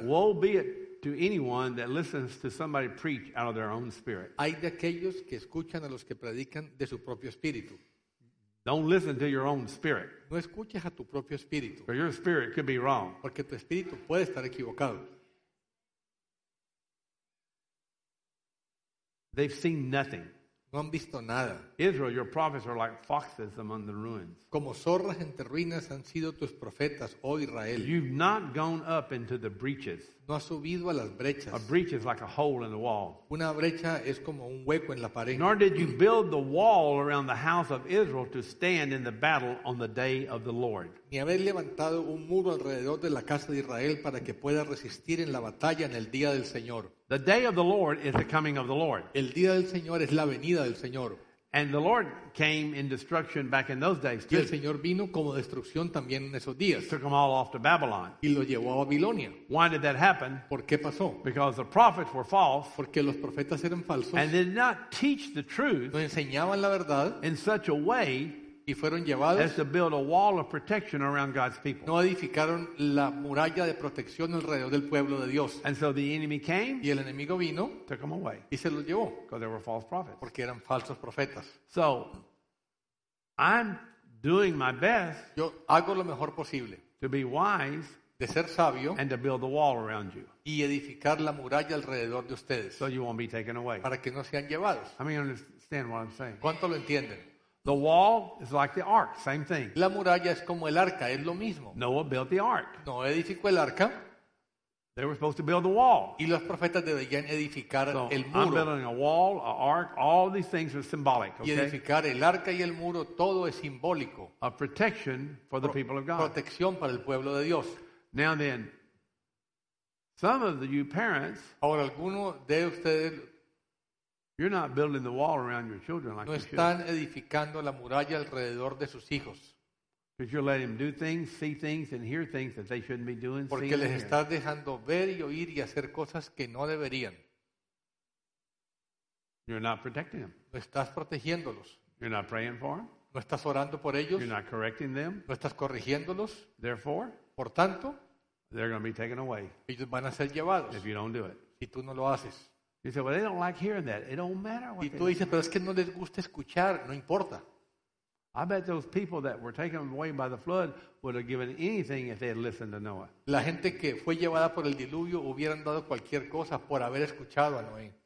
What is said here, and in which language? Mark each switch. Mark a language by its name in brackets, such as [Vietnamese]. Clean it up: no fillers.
[English] Woe be it to anyone that listens to somebody preach out of their own spirit. [Spanish] Ay de aquellos que escuchan a los que predican de su propio espíritu. [English] Don't listen to your own spirit. [Spanish] No escuches a tu propio espíritu. [English] For your spirit could be wrong. [Spanish] Porque tu espíritu puede estar equivocado. [English] They've seen nothing. [Spanish] No han visto nada. [English] Israel, your prophets are like foxes among the ruins. [Spanish] Como zorras entre ruinas han sido tus profetas, oh Israel. [English] You've not gone up into the breaches. [Spanish] No has subido a las brechas. [English] A breach is like a hole in the wall. [Spanish] Una brecha es como un hueco en la pared. [English] Nor did you build the wall around the house of Israel to stand in the battle on the day of the Lord. [Spanish] Ni haber levantado un muro alrededor de la casa de Israel para que pueda resistir en la batalla en el día del Señor. [English] The day of the Lord is the coming of the Lord. [Spanish] El día del Señor es la venida del Señor. [English] And the Lord came in destruction back in those days too. [Spanish] Y el Señor vino como destrucción también en esos días. [English] He took them all off to Babylon. [Spanish] Y lo llevó a Babilonia. [English] Why did that happen? [Spanish] ¿Por qué pasó? [English] Because the prophets were false. [Spanish] Porque los profetas eran falsos. [English] And did not teach the truth. [Spanish] No enseñaban la verdad. [English] In such a way. [Spanish] Y fueron llevados. [English] As to build a wall of protection around God's people. [Spanish] No edificaron la muralla de protección alrededor del pueblo de Dios. [English] And so the enemy came. [Spanish] Y el enemigo vino. [English] Took them away. [Spanish] Y se los llevó. [English] Because they were false prophets. [Spanish] Porque eran falsos profetas. [English] So, I'm doing my best. [Spanish] Yo hago lo mejor posible. [English] To be wise. [Spanish] De ser sabio. [English] And to build the wall around you. [Spanish] Y edificar la muralla alrededor de ustedes. [English] So you won't be taken away. [Spanish] Para que no sean llevados. [English] I mean, understand what I'm saying. [Spanish] ¿Cuánto lo entienden? [English] The wall is like the ark, same thing. [Spanish] La muralla es como el arca, es lo mismo. [English] Noah built the ark. [Spanish] Noé edificó el arca. [English] They were supposed to build the wall. [Spanish] Y los profetas debían edificar [English] so [Spanish] el muro. [English] I'm building a wall, an ark, all these things are symbolic, okay? [Spanish] Y edificar el arca y el muro, todo es simbólico. [English] A protection for the people of God. [Spanish] Protección para el pueblo de Dios. [English] Now then, some of you parents, [Spanish] ahora alguno de ustedes, [English] you're not building the wall around your children like you should. [Spanish] No están edificando la muralla alrededor de sus hijos. [English] Because you're letting them do things, see things, and hear things that they shouldn't be doing. [Spanish] Porque les estás dejando ver y oír y hacer cosas que no deberían. [English] You're not protecting them. [Spanish] No estás protegiéndolos. [English] You're not praying for them. [Spanish] No estás orando por ellos. [English] You're not correcting them. [Spanish] No estás corrigiéndolos. [English] Therefore, [Spanish] por tanto, [English] they're going to be taken away. [Spanish] Ellos van a ser llevados. [English] If you don't do it. [Spanish] Si tú no lo haces. [English] You say, well, they don't like hearing that. It don't matter what [Spanish] y tú dices, pero es que no les gusta escuchar. No importa. [English] I bet those people that were taken away by the flood would have given anything if they had listened to Noah. [Spanish] La gente que fue llevada por el diluvio hubieran dado cualquier cosa por haber escuchado a Noé.